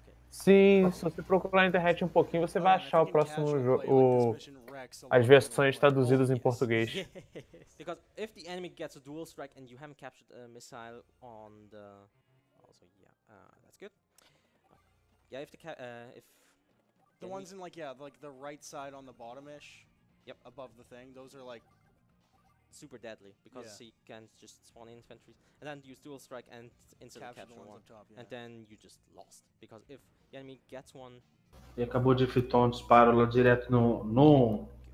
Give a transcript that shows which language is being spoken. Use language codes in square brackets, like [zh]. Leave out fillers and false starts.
[pt] Sim, se você procurar na internet um pouquinho, você vai achar o próximo jogo, as versões traduzidas em português. [en] Because if the enemy gets a dual strike and you haven't captured a missile on the also yeah, that's good. Yeah, if the if the ones in like yeah, like the right side on the bottom-ish, yep, above the thing, those are like super deadly because yeah. So you can just spawn infantry and then use dual strike and instantly capture one. Top, yeah. And then you just lost because if the enemy gets one. [pt] E acabou de efetuar um disparo lá direto no